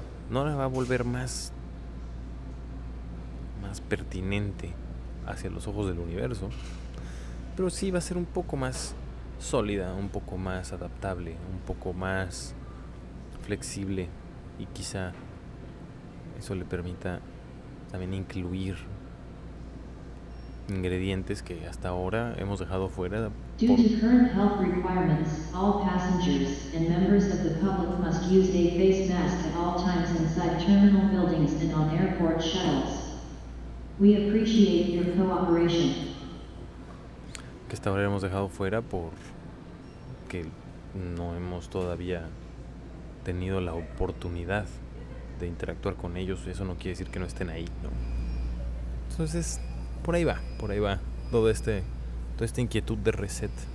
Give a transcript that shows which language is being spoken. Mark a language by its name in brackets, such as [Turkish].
[Spanish] No la va a volver más pertinente hacia los ojos del universo, pero sí va a ser un poco más sólida, un poco más adaptable, un poco más flexible, y quizá eso le permita también incluir ingredientes que hasta ahora hemos dejado fuera. [English] Due to current health requirements, all passengers and members of the public must use a face mask at all times inside terminal buildings and on airport shuttles. We appreciate your cooperation. [Spanish] Que hasta ahora hemos dejado fuera por que no hemos todavía tenido la oportunidad de interactuar con ellos. Eso no quiere decir que no estén ahí, ¿no? Entonces, por ahí va toda esta inquietud de reset.